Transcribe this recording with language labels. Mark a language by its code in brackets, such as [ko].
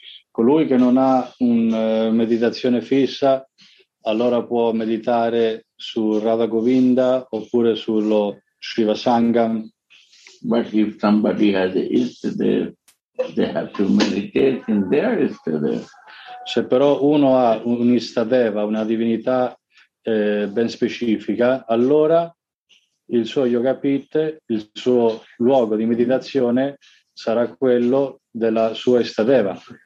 [it] Colui che non ha una meditazione fissa, allora può meditare su Radha Govinda oppure sullo Shiva Sangam. [en] But if somebody has an Ishtadev, they have to meditate in their Ishtadev. [it] Se però uno ha un Ishtadeva, una divinità ben specifica, allora il suo yoga pit, il suo luogo di meditazione, sarà quello della sua Ishtadeva.